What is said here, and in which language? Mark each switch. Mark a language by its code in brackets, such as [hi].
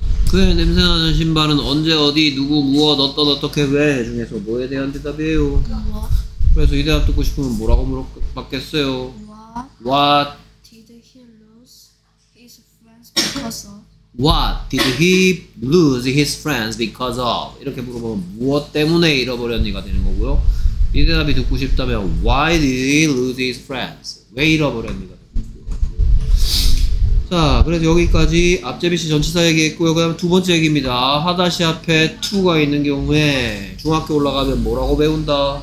[ko] 그의 냄새나는 신발은 언제 어디 누구 무엇 어떤 어떻게 왜 중에서 뭐에 대한 대답이에요. 그래서 이 대답 듣고 싶으면 뭐라고 물어봤겠어요. [en] What did he lose his friends because of? What did he lose his friends because of? [ko] 이렇게 물어보면 무엇 때문에 잃어버렸니가 되는 거고요. 이 대답이 듣고 싶다면 [en] Why did he lose his friends? [ko] 왜 잃어버렸니가 자, 그래서 여기까지 앞제비씨 전치사 얘기했고요. 그 다음 두 번째 얘기입니다. 하다시 앞에 to가 있는 경우에 중학교 올라가면 뭐라고 배운다?